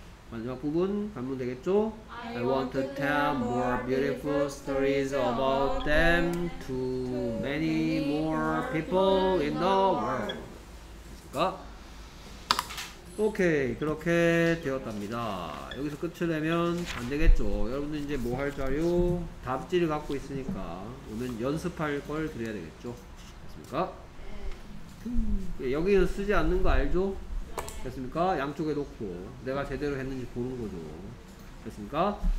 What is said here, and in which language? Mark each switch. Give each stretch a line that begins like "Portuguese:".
Korean: 마지막 부분 가면 되겠죠?
English: I want to tell more beautiful stories about them to many more people in the world.
Korean: 됐습니까? 오케이 그렇게 되었답니다. 여기서 끝을 내면 안 되겠죠? 여러분들 이제 뭐 할 자료? 답지를 갖고 있으니까 오늘 연습할 걸 드려야 되겠죠? 됐습니까? 여기는 쓰지 않는 거 알죠? 됐습니까? 양쪽에 놓고 내가 제대로 했는지 보는 거죠. 됐습니까?